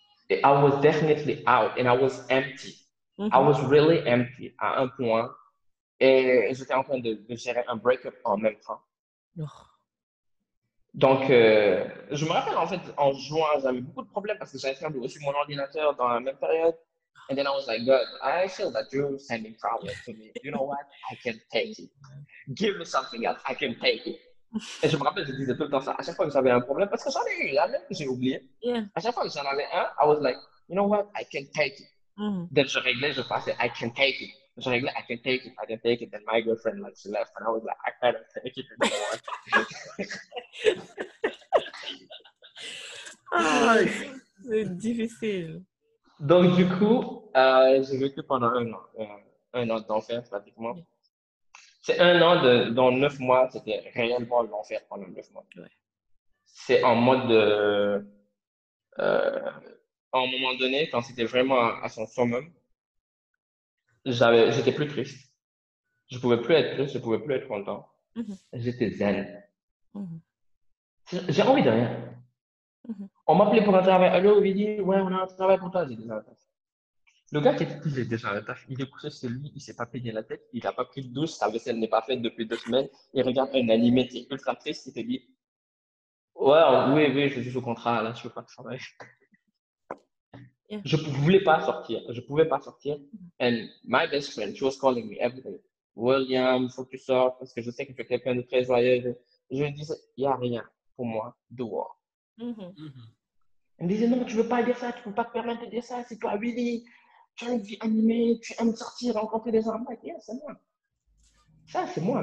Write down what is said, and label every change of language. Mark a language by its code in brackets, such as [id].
[en] Et I was definitely out and I was empty. I was really empty [fr] à un point. Et j'étais en train de gérer un break-up en même temps. Donc, je me rappelle en fait en juin, j'avais beaucoup de problèmes parce que j'avais perdu aussi mon ordinateur dans la même période. [en] And then I was like, good, I feel that you're sending problems to me. You know what? I can take it. Give me something else. I can take it. [fr] Et je me rappelle, je disais tout le temps ça. À chaque fois que j'avais un problème, parce que j'en ai eu un, même que j'ai oublié. [en] Yeah. [fr] À chaque fois que j'en avais un, [en] I was like, you know what? I can take it. Then [fr] je réglais, je passais, [en] I can take it. [fr] Je réglais, [en] I can take it, I can take it. Then my girlfriend, like, she left. And I was like, I can't take it anymore. [fr] C'est difficile. Donc, du coup, j'ai vécu pendant un an d'enfer, pratiquement. C'est un an dans 9 mois, c'était réellement l'enfer pendant 9 mois. C'est en mode de... à un moment donné, quand c'était vraiment à son summum, j'étais plus triste. Je ne pouvais plus être triste, je ne pouvais plus être content. Mm-hmm. J'étais zen. Mm-hmm. J'ai envie de rien. Mm-hmm. On m'appelait pour un travail. Allô, Vidi, ouais, on a un travail pour toi. J'ai déjà un taf. Le gars qui était plus déjà un taf, il est couché chez lui, il ne s'est pas peigné la tête, il n'a pas pris de douche, sa vaisselle n'est pas faite depuis 2 semaines. Il regarde un animé, il est ultra triste, il te dit ouais, oui, je suis au contrat, là, je ne veux pas de travail. Je ne voulais pas sortir. Je ne pouvais pas sortir. [en] And my best friend, she was calling me every day. [fr] William, il faut que tu sortes parce que je sais que tu es quelqu'un de très joyeux. Je lui disais, il n'y a rien pour moi dehors. Elle me disait, non, tu ne veux pas dire ça. Tu ne peux pas te permettre de dire ça. C'est toi, Willy. Tu as une vie animée. Tu aimes sortir, rencontrer des gens. [en] Yeah, [fr] c'est moi. Ça, c'est moi.